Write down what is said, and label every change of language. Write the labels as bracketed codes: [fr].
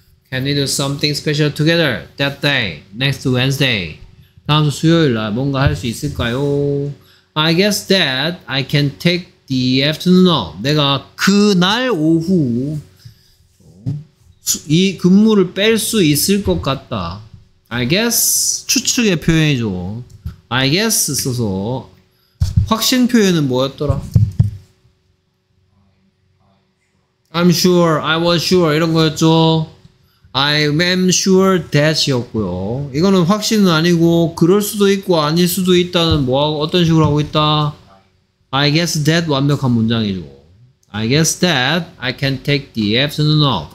[en] Can we do something special together that day, next Wednesday. [ko] 다음 주 수요일 날 뭔가 할 수 있을까요? [en] I guess that I can take the afternoon off. [ko] 내가 그날 오후 이 근무를 뺄 수 있을 것 같다. [en] I guess [ko] 추측의 표현이죠. [en] I guess [ko] 써서 확신 표현은 뭐였더라? [en] I'm sure, I was sure [ko] 이런 거였죠. [en] I am sure that [ko] 이었고요. 이거는 확신은 아니고 그럴 수도 있고 아닐 수도 있다는 뭐하고 어떤 식으로 하고 있다? [en] I guess that [ko] 완벽한 문장이죠. [en] I guess that I can take the afternoon off.